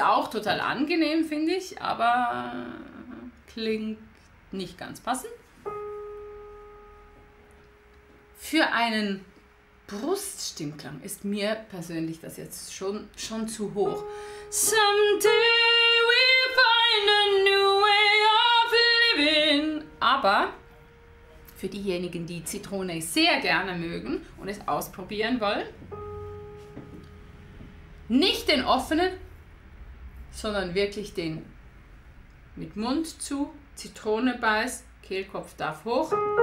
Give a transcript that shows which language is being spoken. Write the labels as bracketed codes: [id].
[de] Total angenehm, finde ich, aber klingt nicht ganz passend. Für einen Bruststimmklang ist mir persönlich das jetzt schon zu hoch. [en] Someday we'll find a new way of living. [de] Aber für diejenigen, die Zitrone sehr gerne mögen und es ausprobieren wollen, nicht den offenen, sondern wirklich den mit Mund zu, Zitrone beiß, Kehlkopf darf hoch.